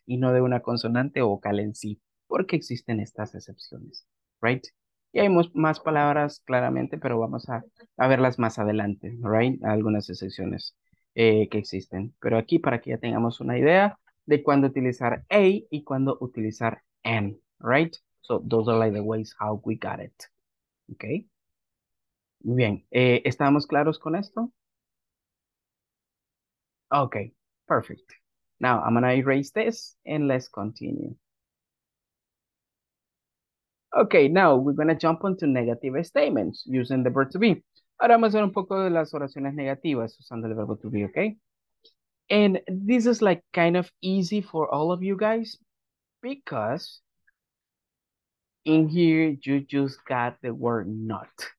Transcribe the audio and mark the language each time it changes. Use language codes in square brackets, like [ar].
[es] Y no de una consonante o vocal en sí, porque existen estas excepciones, right? Y hay más palabras claramente, pero vamos a verlas más adelante, right? Algunas excepciones que existen. Pero aquí, para que ya tengamos una idea de cuándo utilizar A y cuándo utilizar N, right? [en] So, those are like the ways how we got it, okay? [es] Bien, ¿estamos claros con esto? [en] Okay, perfect. Now, I'm gonna erase this and let's continue. Okay, now we're going to jump onto negative statements using the verb to be. [es] Ahora vamos a ver un poco de las oraciones negativas usando el verbo to be, okay? [en] And this is like kind of easy for all of you guys because in here you just got the word not.